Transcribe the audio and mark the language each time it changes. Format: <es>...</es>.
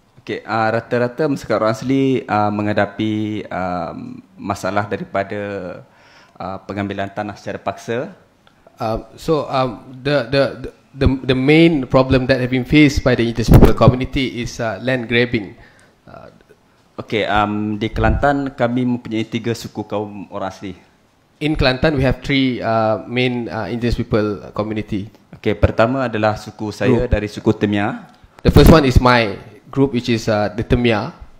<ms>Okay, rata-rata masyarakat orang asli menghadapi masalah daripada pengambilan tanah secara paksa.</ms> <en>So the main problem that have been faced by the indigenous people community is land grabbing.</en> <ms>Okay, di Kelantan kami mempunyai tiga suku kaum orang asli.</ms> <en>In Kelantan we have three main indigenous people community.</en> <ms>Okay, pertama adalah suku saya group. Dari suku Temia.</ms> <en>The first one is my group, which is the Temia.</en>